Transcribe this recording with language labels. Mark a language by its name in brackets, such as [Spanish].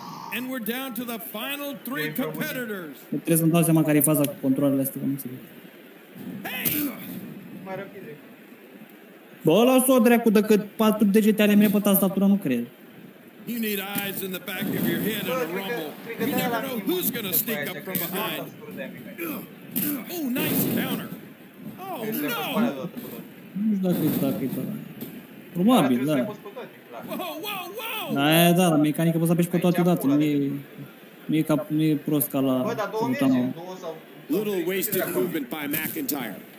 [English] And we're down to the final three competitors. [Romanian] Trebuie să-mi dau seama care e faza cu controlele astea. [English] Hey! [Romanian] Mai rapide. Bă, lasă-o dreacu, decât patru degete ale mele pe tastatura, nu cred. [English] You need eyes in the back of your head and a rumble. You never know who's gonna sneak up from behind. Oh, nice counter. Oh, no! [Romanian] Nu știu dacă e dacă e pe ăla. Probabil, da. [English] Whoa, whoa, whoa! [Romanian] Da, la mecanică poți să apeși pe toate odată. Nu e prost ca la... Bă, dar două mergi. [English] Little wasted movement by McIntyre.